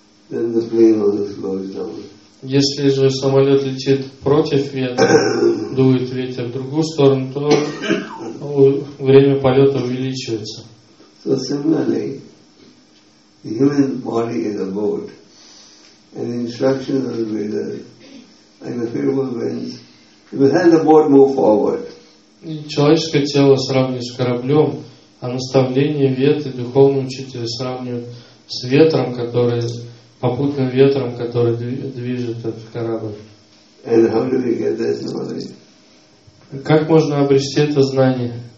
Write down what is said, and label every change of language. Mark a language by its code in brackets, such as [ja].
[ru] Если же самолет летит против ветра, дует ветер в другую сторону, то время полета увеличивается. [en] So similarly, the human body is a boat. And the instructions of the Veda and the favorable winds, it will help the boat move forward. [ru] Человеческое тело сравнивается с кораблем, а наставление Веды духовного учителя сравнивают с ветром, который попутным ветром, который движет этот корабль. [en] And how do we get this knowledge? [ru] Как можно обрести это знание?